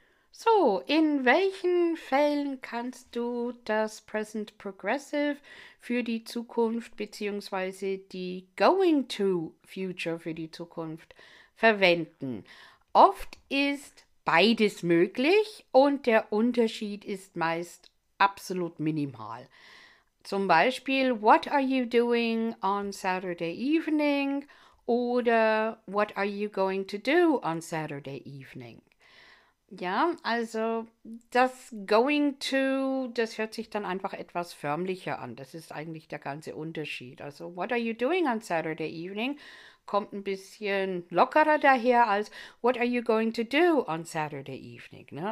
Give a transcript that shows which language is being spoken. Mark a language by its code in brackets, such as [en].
[de] So, in welchen Fällen kannst du das Present Progressive für die Zukunft bzw. die Going to Future für die Zukunft verwenden? Oft ist beides möglich und der Unterschied ist meist absolut minimal. Zum Beispiel, [en] what are you doing on Saturday evening? [de] Oder [en] what are you going to do on Saturday evening? [de] Ja, also das going to, das hört sich dann einfach etwas förmlicher an. Das ist eigentlich der ganze Unterschied. Also [en] what are you doing on Saturday evening [de] kommt ein bisschen lockerer daher als [en] what are you going to do on Saturday evening? [de] Ne?